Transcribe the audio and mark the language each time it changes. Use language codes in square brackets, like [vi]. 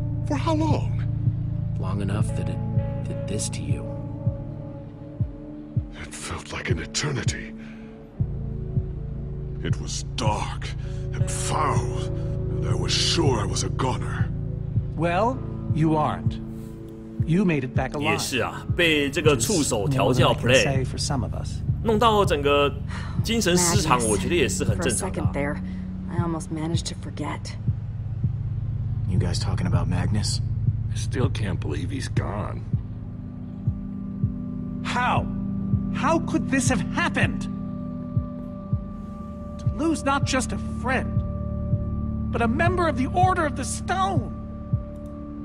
[en] For how long? Long enough that it did this to you. It felt like an eternity. It was dark and foul, and I was sure I was a goner. Well, you aren't. You made it back alive. [zh] 也是啊，被这个触手调教 play， 弄到整个精神失常，我觉得也是很正常的。 [en] For a second there, I almost managed to forget. You guys talking about Magnus? I still can't believe he's gone. How? How could this have happened? Lose not just a friend, but a member of the Order of the Stone.